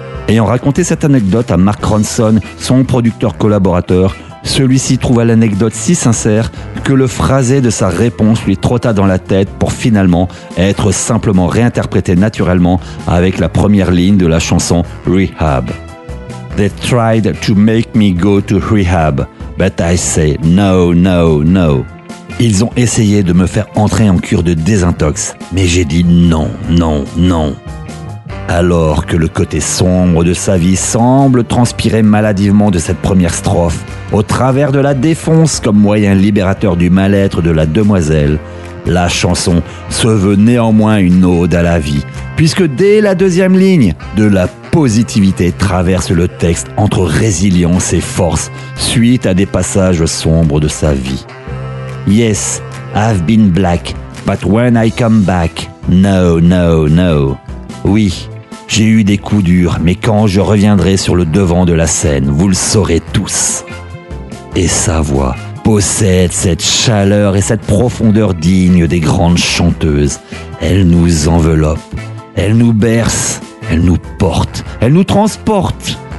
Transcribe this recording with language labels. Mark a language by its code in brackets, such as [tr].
[fr] Ayant raconté cette anecdote à Mark Ronson, son producteur collaborateur, celui-ci trouva l'anecdote si sincère que le phrasé de sa réponse lui trotta dans la tête pour finalement être simplement réinterprété naturellement avec la première ligne de la chanson Rehab. [en] They tried to make me go to rehab, but I say no, no, no. [fr] Ils ont essayé de me faire entrer en cure de désintox, mais j'ai dit non, non, non. Alors que le côté sombre de sa vie semble transpirer maladivement de cette première strophe, au travers de la défonce comme moyen libérateur du mal-être de la demoiselle, la chanson se veut néanmoins une ode à la vie, puisque dès la deuxième ligne, de la positivité traverse le texte entre résilience et force, suite à des passages sombres de sa vie. [en] « Yes, I've been black, but when I come back, no, no, no. » [fr] Oui. J'ai eu des coups durs, mais quand je reviendrai sur le devant de la scène, vous le saurez tous. Et sa voix possède cette chaleur et cette profondeur digne des grandes chanteuses. Elle nous enveloppe, elle nous berce, elle nous porte, elle nous transporte.